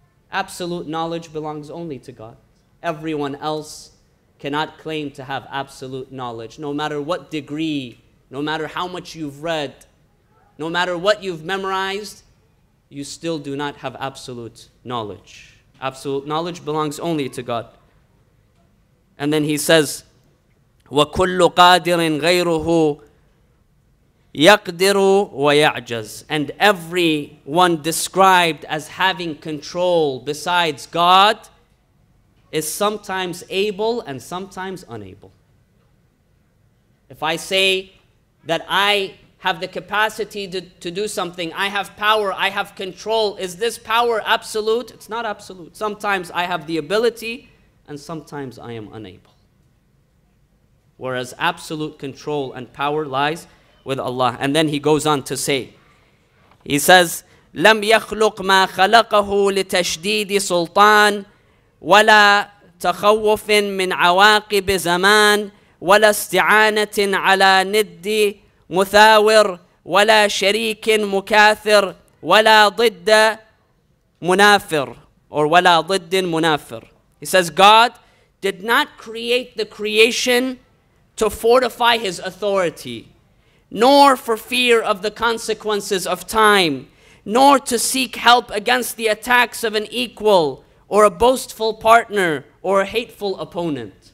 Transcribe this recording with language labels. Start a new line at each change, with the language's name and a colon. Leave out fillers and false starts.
English: Absolute knowledge belongs only to God. Everyone else cannot claim to have absolute knowledge, no matter what degree, no matter how much you've read, no matter what you've memorized, you still do not have absolute knowledge. Absolute knowledge belongs only to God. And then he says,
Arabic: وَكُلُّ قَادِرٍ غَيْرُهُ يَقْدِرُ وَيَعْجَزُ.
English: And everyone described as having control besides God is sometimes able and sometimes unable. If I say that I have the capacity to do something, I have power, I have control, is this power absolute? It's not absolute. Sometimes I have the ability, and sometimes I am unable. Whereas absolute control and power lies with Allah. And then he goes on to say, he says,
Arabic: لَمْ يَخْلُقْ مَا خَلَقَهُ لِتَشْدِيدِ سُلْطَانٍ وَلَا تَخَوُّفٍ مِنْ عَوَاقِبِ زَمَانٍ وَلَا اسْتِعَانَةٍ عَلَى نِدِّي مثاور ولا شريك مكاثر ولا ضد منافر
English: or
Arabic: ولا ضد منافر.
English: He says, God did not create the creation to fortify his authority, nor for fear of the consequences of time, nor to seek help against the attacks of an equal or a boastful partner or a hateful opponent.